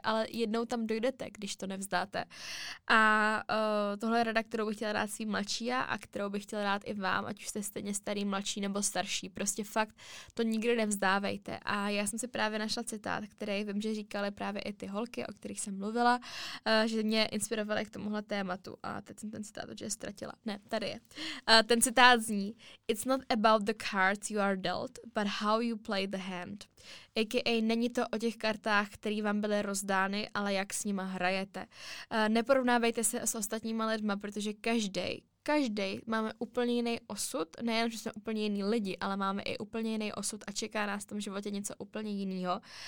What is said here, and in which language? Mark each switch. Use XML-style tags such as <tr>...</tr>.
<cs>Ale jednou tam dojdete, když to nevzdáte. A tohle je rada, kterou bych chtěla dát svým mladší a kterou bych chtěla dát i vám, ať už jste stejně starý, mladší nebo starší. Prostě fakt to nikdy nevzdávejte. Já jsem si právě našla citát, který vím, že říkali právě i ty holky, o kterých jsem mluvila, že mě inspirovaly k tomuhle tématu. A teď jsem ten citát už ztratila. Ne, tady je. Ten citát zní:</cs> <en>It's not about the cards you are dealt, but how you play the hand. A.k.a.</en> <cs>není to o těch kartách, které vám byly rozdány, ale jak s nima hrajete. Neporovnávejte se s ostatníma lidma, protože každý máme úplně jiný osud, nejen, že jsme úplně jiný lidi, ale máme i úplně jiný osud a čeká nás v tom životě něco úplně jiného.</cs>